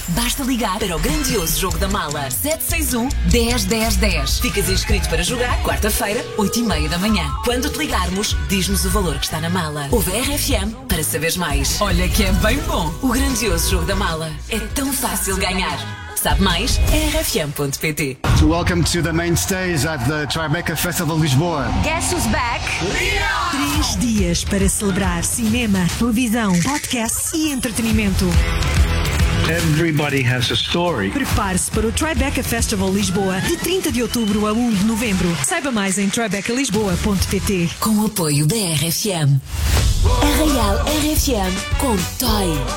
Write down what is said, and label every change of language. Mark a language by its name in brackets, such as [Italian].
[Portuguese] Basta ligar para o grandioso Jogo da Mala. 761 10 10 10. Ficas inscrito para jogar quarta-feira, 8h30 da manhã. Quando te ligarmos, diz-nos o valor que está na mala. Ouve a RFM para saberes mais. Olha que é bem bom! O grandioso Jogo da Mala. É tão fácil ganhar. Sabe mais? É rfm.pt. [English] Welcome to the main stage at the Tribeca Festival Lisboa. Guess who's back? Leo! [Portuguese] 3 dias para celebrar cinema, televisão, podcast e entretenimento. [English] Everybody has a story. [Portuguese] Prepare-se para o Tribeca Festival Lisboa, de 30 de outubro a 1 de novembro. Saiba mais em tribecalisboa.pt. Com o apoio da RFM. Arraial RFM com Toy.